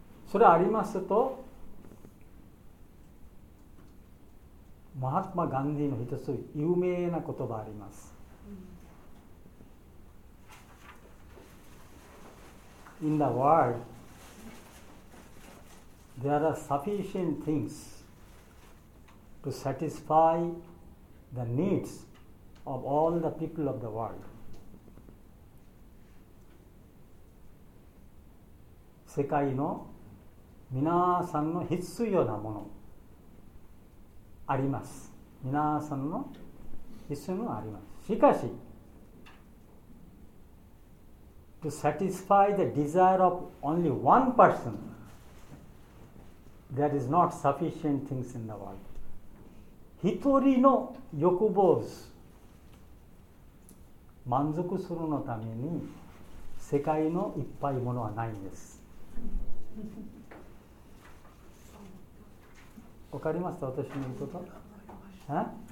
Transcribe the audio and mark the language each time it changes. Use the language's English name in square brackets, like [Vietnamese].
[Japanese] それありますと、マハトマ・ガンディの一つ有名な言葉あります。 [English] In the world, there are sufficient things to satisfy the needs of all the people of the world. [Japanese] 世界の皆さんの必要なものあります。皆さんの必要なものあります。しかし [English] To satisfy the desire of only one person, there is not sufficient things in the world. [Japanese] 一人の欲望を満足するのために世界のいっぱいものはないんです。わかりました、私の言うこと。